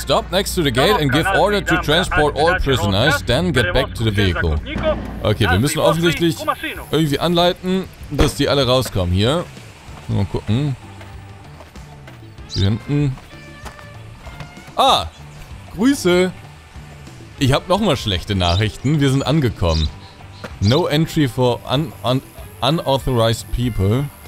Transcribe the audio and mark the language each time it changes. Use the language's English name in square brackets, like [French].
[English] Stop next to the gate and give order to transport all prisoners, then get back to the vehicle. [German] Okay, wir müssen offensichtlich irgendwie anleiten, dass die alle rauskommen hier. Mal gucken. Hier hinten. Ah! Grüße! Ich hab nochmal schlechte Nachrichten. Wir sind angekommen. [English] No entry for unauthorized people.